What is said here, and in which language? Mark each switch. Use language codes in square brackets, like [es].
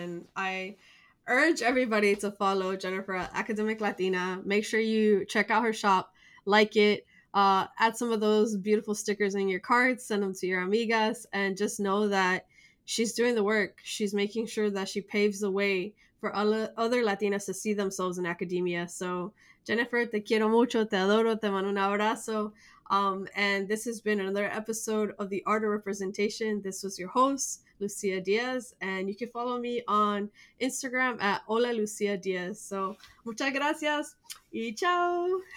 [en] And I urge everybody to follow Jennifer at Academic Latina. Make sure you check out her shop, like it, add some of those beautiful stickers in your cart, send them to your amigas, and just know that she's doing the work. She's making sure that she paves the way for other Latinas to see themselves in academia. [es] So Jennifer, te quiero mucho, te adoro, te mando un abrazo. [en] And this has been another episode of The Art of Representation. This was your host, Lucia Diaz, and you can follow me on Instagram at Hola Lucia Diaz. [es] So muchas gracias y chao.